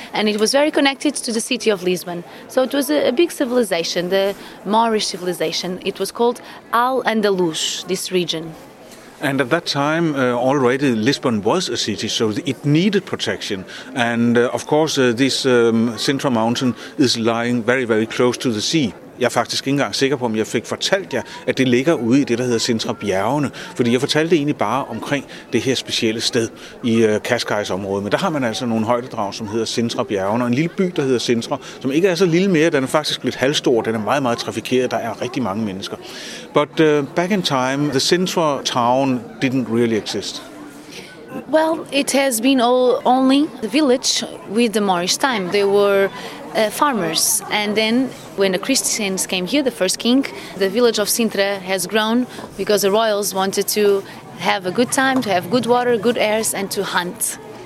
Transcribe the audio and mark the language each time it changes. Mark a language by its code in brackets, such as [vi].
[en] And it was very connected to the city of Lisbon. So it was a big civilization, the Moorish civilization. It was called Al-Andalus, this region. And at that time, already Lisbon was a city, so it needed protection. And of course, this Sintra mountain is lying very, very close to the sea. [da] Jeg er faktisk ikke engang sikker på, om jeg fik fortalt jer, at det ligger ude i det, der hedder Sintra bjergene. Fordi jeg fortalte egentlig bare omkring det her specielle sted i Cascais område. Men der har man altså nogle højdedrag, som hedder Sintra bjergene, og en lille by, der hedder Sintra, som ikke er så lille mere. Den er faktisk lidt halvstor. Den er meget, meget trafikeret. Der er rigtig mange mennesker. [en] But back in time, the Sintra town didn't really exist. Well, it has been all only the village with the Moorish time. They were farmers, and then when the Christians came here, the first king, the village of Sintra has grown because the royals wanted to have a good time, to have good water, good airs, and to hunt.